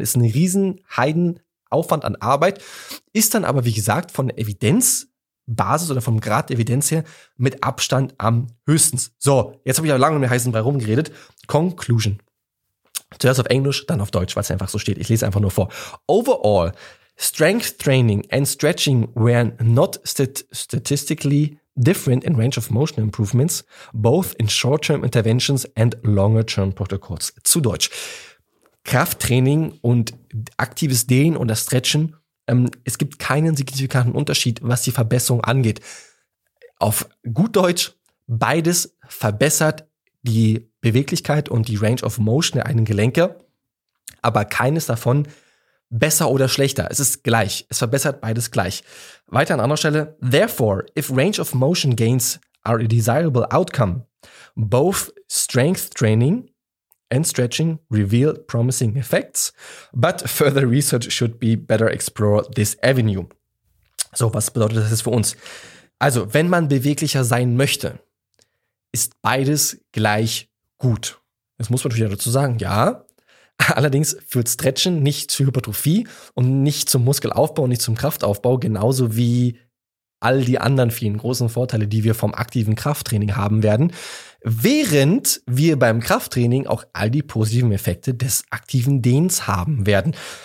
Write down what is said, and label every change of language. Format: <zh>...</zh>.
<de>Ist ein riesen Heidenaufwand an Arbeit, ist dann aber, wie gesagt, von der Evidenzbasis oder vom Grad der Evidenz her mit Abstand am höchsten. So, jetzt habe ich aber lange um den heißen Brei rumgeredet. Conclusion. Zuerst auf Englisch, dann auf Deutsch, weil es einfach so steht. Ich lese einfach nur vor.</de> <en>Overall, strength training and stretching were not statistically different in range of motion improvements, both in short-term interventions and longer-term protocols.</en> <de>Zu Deutsch. Krafttraining und aktives Dehnen oder Stretchen, es gibt keinen signifikanten Unterschied, was die Verbesserung angeht. Auf gut Deutsch, beides verbessert die Beweglichkeit und die Range of Motion der einen Gelenke, aber keines davon besser oder schlechter. Es ist gleich. Es verbessert beides gleich. Weiter an anderer Stelle.</de> <en>Therefore, if Range of Motion Gains are a desirable outcome, both Strength Training and Stretching reveal promising effects, but further research should be better explore this avenue.</en> <de>So, was bedeutet das jetzt für uns? Also, wenn man beweglicher sein möchte, ist beides gleich gut. Das muss man natürlich dazu sagen, ja. Allerdings führt Stretchen nicht zu Hypertrophie und nicht zum Muskelaufbau und nicht zum Kraftaufbau, genauso wie all die anderen vielen großen Vorteile, die wir vom aktiven Krafttraining haben werden, während wir beim Krafttraining auch all die positiven Effekte des aktiven Dehns haben werden.</de>